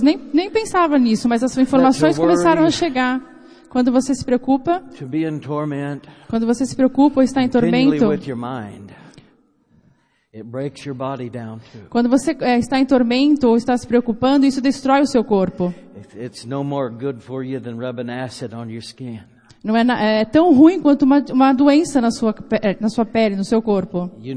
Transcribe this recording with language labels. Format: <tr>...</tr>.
<pt>Nem pensava nisso, mas as informações começaram a chegar. Quando você se preocupa,</pt> <en>to be in torment,</en> <pt>quando você se preocupa ou está em tormento,</pt> <en>with your mind, it breaks your body down too.</en> <pt>Quando você está em tormento ou está se preocupando, isso destrói o seu corpo. Não é tão ruim quanto uma doença na sua pele, no seu corpo.</pt>